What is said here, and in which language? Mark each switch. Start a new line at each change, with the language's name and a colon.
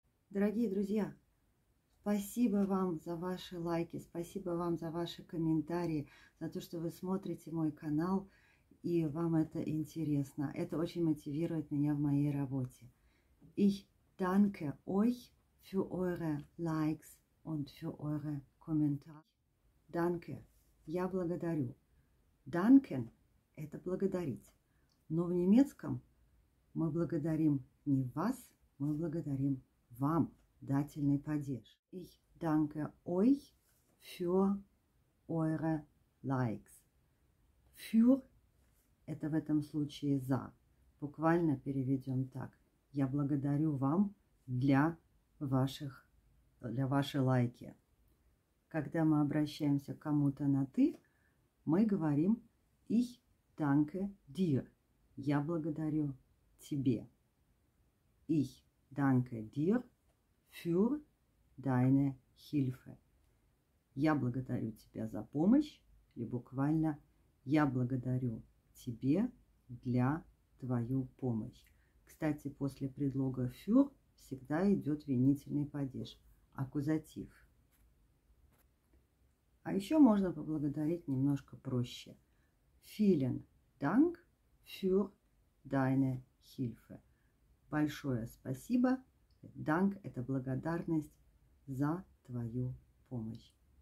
Russian: Дорогие друзья, спасибо вам за ваши лайки, спасибо вам за ваши комментарии, за то, что вы смотрите мой канал, и вам это интересно. Это очень мотивирует меня в моей работе.
German: Ich danke euch für eure Likes und für eure Kommentare. Danke.
Russian: Я благодарю. Danken – это благодарить. Но в немецком мы благодарим не вас, мы благодарим вам, дательный падеж.
German: Ich danke euch für eure Likes.
Russian: Für – это в этом случае за. Буквально переведем так. Я благодарю вам для вашей лайки. Когда мы обращаемся к кому-то на «ты», мы говорим
German: «Ich danke dir».
Russian: Я благодарю тебе.
German: Ich danke dir für deine Hilfe.
Russian: Я благодарю тебя за помощь, или буквально «Я благодарю тебе для твою помощь». Кстати, после предлога «für» всегда идет винительный падеж, аккузатив. А еще можно поблагодарить немножко проще.
German: Vielen Dank für deine Hilfe.
Russian: Большое спасибо. Dank – это благодарность за твою помощь.